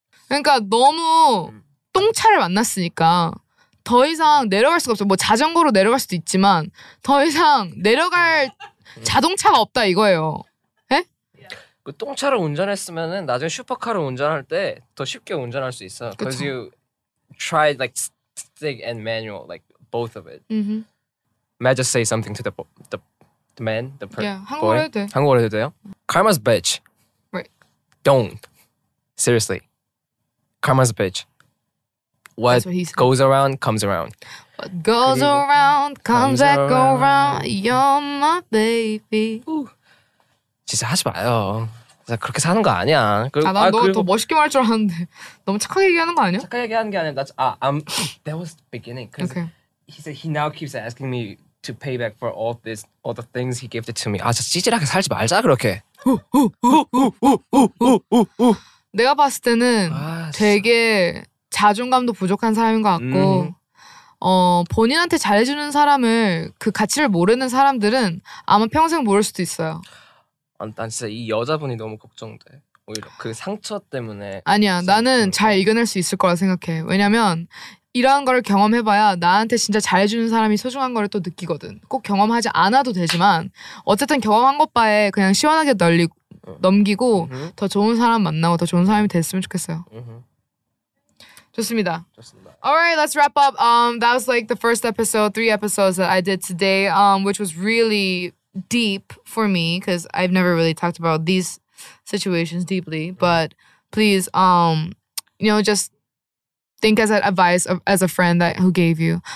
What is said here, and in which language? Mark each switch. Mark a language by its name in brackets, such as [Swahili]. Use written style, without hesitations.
[Korean] 그러니까 너무 똥차를 만났으니까 더 이상 내려갈 수가 없죠. 뭐 자전거로 내려갈 수도 있지만 더 이상 내려갈 자동차가 없다 이거예요. 예? 그 똥차를 운전했으면은 나중에 슈퍼카를 운전할 때 더 쉽게 운전할 수 있어. 그쵸. [English] Because you tried like stick and manual like both of it. Mm-hmm. May I just say something to the man, the person? [Korean] Yeah, 한국어로 해도 돼. 한국어로 해도 돼요? [English] Karma's bitch. Right. Don't. Seriously. Karma's bitch. What goes around comes around. goes around, comes back around. You're my baby. [Korean] 진짜 하지 마요. 그렇게 사는 거 아니야. 아, 난 너 더 멋있게 말할 줄 알았는데 너무 착하게 얘기하는 거 아니야? 착하게 얘기하는 게 아니야. [English] 나, 아, I'm, that was the beginning. Cause okay. He said he now keeps asking me to pay back for all this, all the things he gifted to me. [Korean] 아, 진짜 찌질하게 살지 말자 그렇게. 내가 봤을 때는 아, 되게 자존감도 부족한 사람인 것 같고 본인한테 잘해주는 사람을 그 가치를 모르는 사람들은 아마 평생 모를 수도 있어요. 난 진짜 이 여자분이 너무 걱정돼. 오히려 그 상처 때문에. 아니야, 나는 잘 이겨낼 수 있을 거라 생각해. 왜냐면 이러한 걸 경험해봐야 나한테 진짜 잘해주는 사람이 소중한 걸 또 느끼거든. 꼭 경험하지 않아도 되지만 어쨌든 경험한 것 바에 그냥 시원하게 넘기고 으흠. 더 좋은 사람 만나고 더 좋은 사람이 됐으면 좋겠어요. 으흠. 좋습니다. 좋습니다. [English] All right, let's wrap up. That was like the first episode, three episodes that I did today, which was really deep for me because I've never really talked about these situations deeply. But please, you know, just think as an advice of, as a friend that who gave you.